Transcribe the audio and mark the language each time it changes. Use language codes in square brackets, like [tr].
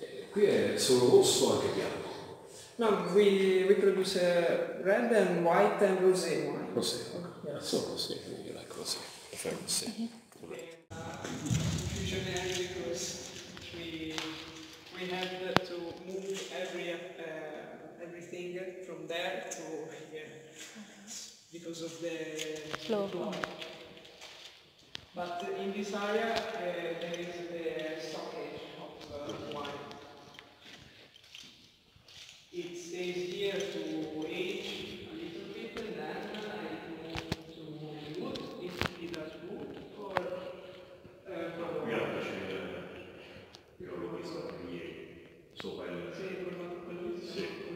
[it] Qui è solo rosso anche bianco. [en] No, we produce red and white and rosé wine. Rosé, okay. Yeah. So rosé, you like rosé. Prefer rosé. Usually because we have to move everything from there to here because of the flow. But in this area there is the stockage of wine. It stays here to age a little bit and then I move to wood, if it has wood or okay,